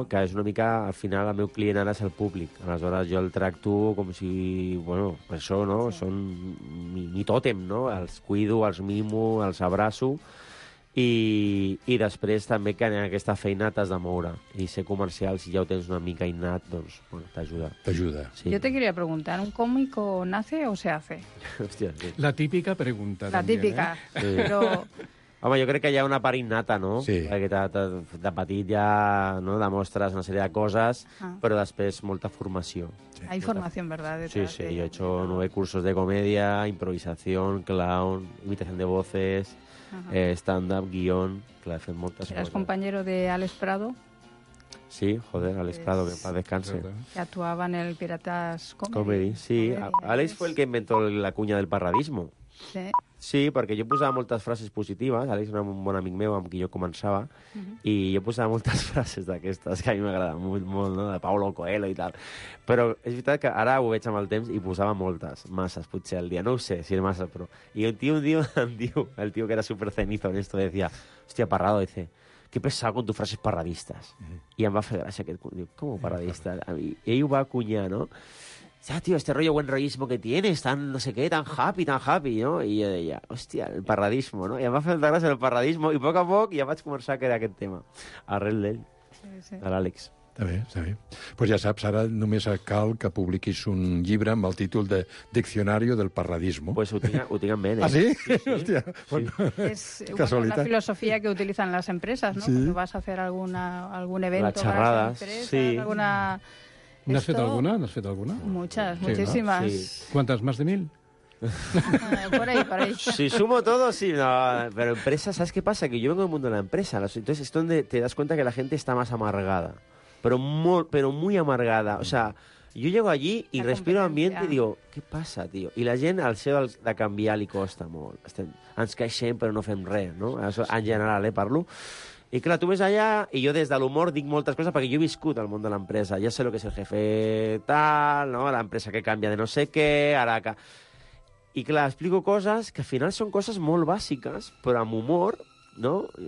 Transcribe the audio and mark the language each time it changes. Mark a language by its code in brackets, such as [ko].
[ca] Que és una mica, al final, el meu client ara és el públic. Aleshores, jo el tracto com si, bueno, per això, no? Sí. Són mi tòtem, no? Els cuido, els mimo, els abraço. I després també que en aquesta feina t'has de moure. I ser comercial, si ja ho tens una mica innat, doncs bueno, t'ajuda. T'ajuda. Sí. [es] Yo te quería preguntar, ¿un cómico nace o se hace? [ca] Hòstia, sí. [es] La típica pregunta. La típica. ¿Eh? [ca] Sí. Però Home, jo crec que hi ha una part innata, no? Sí. Perquè de petit ja, no?, demostres una sèrie de coses, però després molta formació. [es] Sí. Hay formación, ¿verdad? Sí, sí, jo he hecho 9 cursos de comèdia, improvisación, clown, imitación de voces, stand-up, guión... [ca] Clar, he fet moltes coses. [es] Eres compañero de Alex Prado? Sí, joder, Alex Prado, que para descanse. Que actuaba en el Piratas Comedy. Sí. Alex fue el que inventó la cuña del parradismo. Sí. [ca] Sí, perquè jo posava moltes frases positives. Alex era un bon amic meu amb qui jo començava. Uh-huh. I jo posava moltes frases d'aquestes, que a mi m'agraden molt, molt, no?, de Paulo Coelho i tal. Però és veritat que ara ho veig amb el temps i posava moltes, masses, potser al dia. No ho sé si era massa, però... [es] I un tio, el tio que era super cenizo en esto, decía, hòstia, Parrado, dice, qué pesado con tus frases parradistas. Uh-huh. [ca] I em va fer gràcia aquest... [es] Diu, ¿cómo parradista? [ca] Ell ho va acuñar, [es] no?, ya, tío, este rollo buen rollismo que tienes, tan no sé qué, tan happy, ¿no? [ca] Y yo deia, hòstia, el parradismo, ¿no? Y em va fer molta gràcia el parradismo, i poc a poc ja vaig començar a crear aquest tema, arrel d'ell, de l'Àlex. Està bé, està bé. Pues ja saps, ara només cal que publiquis un llibre amb el títol de Diccionario del Parradismo. Pues ho tinc en ment, eh? Ah, sí? Sí, sí. Hòstia, bueno, sí. Casualitat. És una filosofia que utilitzen les empreses, ¿no? Sí. [es] Cuando vas a hacer algún evento, las charradas, las empresas, sí. Alguna... ¿No has fet alguna? ¿No has fet alguna? Muchas, sí, muchísimas. ¿No? Sí. ¿Cuántas? ¿Más de 1000? Por ahí. Si sumo todo, sí. No, pero empresa, ¿sabes qué pasa? Que yo vengo del mundo de la empresa. Entonces es donde te das cuenta que la gente está más amargada. Pero muy amargada. O sea, yo llego allí y la respiro ambiente y digo, ¿qué pasa, tío? [ca] Y la gente al ser de canviar li costa molt. Ens queixem, però no fem res, ¿no? [es] Eso, en general, [ca] parlo. I clar, tu ves allà, i jo des de l'humor dic moltes coses perquè jo he viscut al món de l'empresa. Ja sé lo que és el jefe tal, no? L'empresa que canvia de no sé què, ara que... I clar, explico coses que al final són coses molt bàsiques, però amb humor, no?